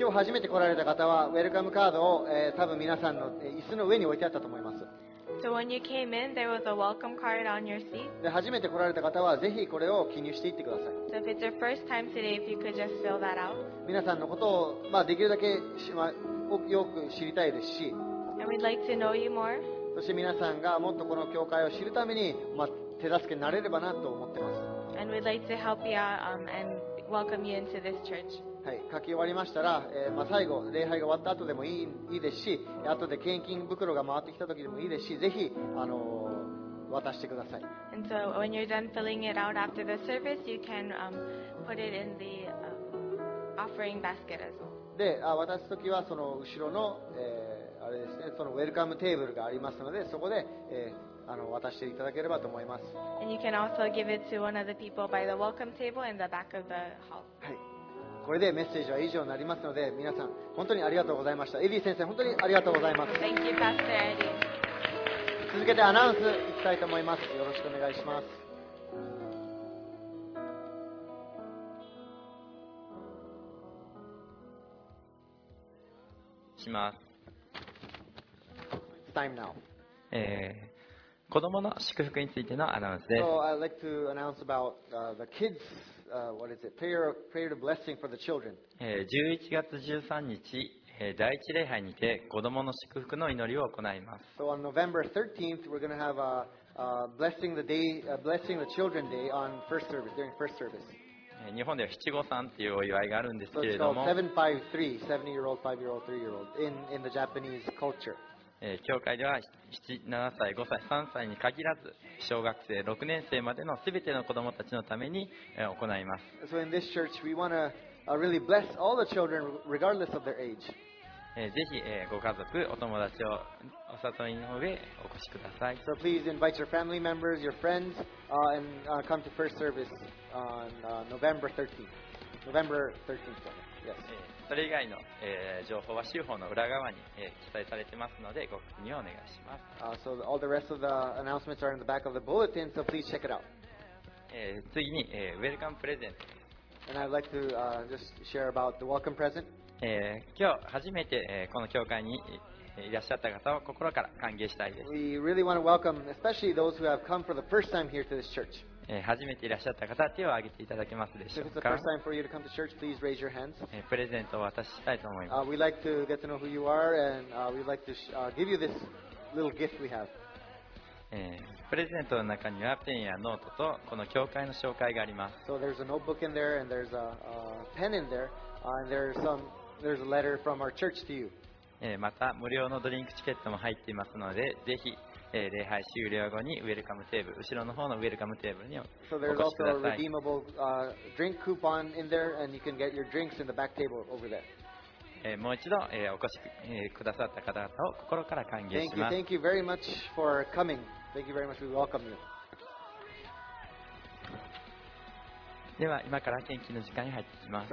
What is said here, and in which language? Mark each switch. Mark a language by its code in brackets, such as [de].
[ja] 今日初めて来られた方はウェルカムカードを、多分皆さんの椅子の上に置いてあったと思います。初めて来られた方はぜひこれを記入していってください。 [en] So if it's your first time today, if you could just fill that out. [ja] 皆さんのことを、まあ、できるだけ、まあ、よく知りたいですし、 [en] And we'd like to know you more. [ja] そして皆さんがもっとこの教会を知るために、まあ、手助けになれればなと思ってます。 [en] And we'd like to help you out, andWelcome you into this church. [ja] はい、書き終わりましたら、まあ、最後礼拝が終わった後でもいいですし、後で献金袋が回ってきた時でもいいですし、ぜひ、渡してください。 [en] And so when you're done filling it out after the service, you can, put it in the, offering basket as well. [ja] で、渡す時はその後ろの、あれですね、そのウェルカムテーブルがありますので、そこで、渡していただければと思います。これでメッセージは以上になりますので、皆さん本当にありがとうございました。エディ先生本当にありがとうございます。 [en] Thank you, Pastor Eddie. [ja] 続けてアナウンスいきたいと思います。よろしくお願いします。します。 [en] It's time now. [ja] 子供の祝福についてのアナウンスです。 [en] So I'd like to announce about, the kids, what is it? Prayer of blessing for the children. [ja] 11月13日、第一礼拝にて子供の祝福の祈りを行います。 [en] So on November 13th, we're going to have a, blessing the day, blessing the children day on first service, during first service. [ja] 日本では七五三というお祝いがあるんですけれども、 [en] So it's called 753, 70-year-old, 5-year-old, 3-year-old in the Japanese culture. [ja] 教会では7歳、5歳、3歳に限らず、小学生、6年生までのすべての子どもたちのために行います。 [en] So in this church, we want to really bless all the children regardless of their age. [ja] ぜひご家族、お友達をお誘いの上お越しください。 [en] So please invite your family members, your friends, and come to first service on November 13th. November 13th, yes. [ja] それ以外の、情報は週報の裏側に、記載されていますので、ご確認をお願いします。 [en] So all the rest of the announcements are in the back of the bulletin, so please check it out. [ja] 次に、ウェルカムプレゼントです。 [en] And I'd like to just share about the welcome present. [ja] 今日初めて、この教会にいらっしゃった方を心から歓迎したいです。 [en] We really want to welcome, especially those who have come for the first time here to this church. [ja] 初めていらっしゃった方、手を挙げていただけますでしょうか。 [en] If it's the first time for you to come to church, please raise your hands. [ja] プレゼントを渡したいと思います。 [en] We'd like to get to know who you are, and we'd like to give you this little gift we have. [ja] プレゼントの中にはペンやノートとこの教会の紹介があります。 [en] So there's a notebook in there and there's a pen in there and there's a letter from our church to you. [ja] また無料のドリンクチケットも入っていますのでぜひ、礼拝終了後にウェルカムテーブル後ろの方のウェルカムテーブルにお越しください。 [en] So there's also a redeemable drink coupon in there and you can get your drinks in the back table over there. [ja] もう一度、お越し、くださった方々を心から歓迎します。 [en] Thank you. Thank you very much for coming. Thank you very much. We welcome you. [ja] では今から献金の時間に入っていきます。